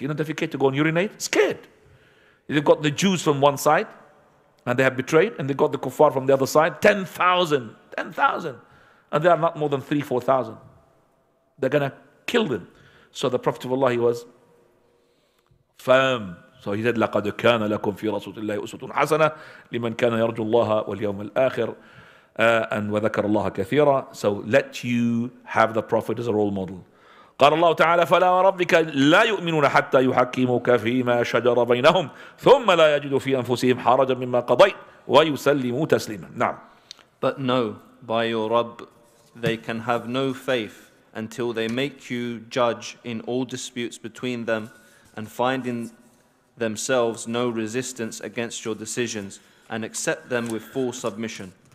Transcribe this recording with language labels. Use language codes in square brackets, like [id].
[en] You know, defecate, to go and urinate? Scared. They've got the Jews from one side and they have betrayed, and they've got the kuffar from the other side. 10,000. And they are not more than 3,000-4,000. They're going to kill them. So the Prophet of Allah, he was firm. So he said, [ar] لَقَدْ كَانَ لَكُمْ فِي رَسُولِ اللَّهِ أُسْوَةٌ حَسَنَةٌ لِمَنْ كَانَ يَرْجُ اللَّهَ وَالْيَوْمَ الْآخِرِ and وَذَكَرَ اللَّهَ كَثِيرًا. [en] So let you have the Prophet as a role model. [ar] قال الله تعالى فلا ربك لا يؤمنون حتى يحكموك فيما شجر بينهم ثم لا يجدوا في أنفسهم حرجا مما قضيت ويسلموا تسليما. نعم. [en] But no, by your Rabb, they can have no faith until they make you judge in all disputes between them and find in themselves no resistance against your decisions and accept them with full submission.